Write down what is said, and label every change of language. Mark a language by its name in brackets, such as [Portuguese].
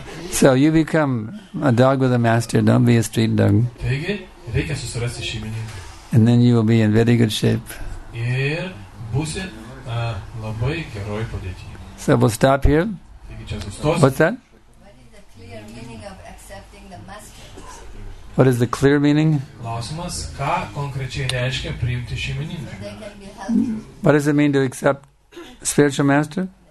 [English] So you become a dog with a master, don't be a street dog. [Lithuanian] Taigi, reikia susirasti šeimininką. [English] And then you will be in very good shape. [Lithuanian] Ir būsi labai geroj padėti. [English] So we'll stop here. What's that? What is the clear meaning of accepting the master? What is the clear meaning? [Lithuanian] Klausimas, ką konkrečiai reiškia priimti šeimininką. [English] So they can be helped. What does it mean to accept spiritual master?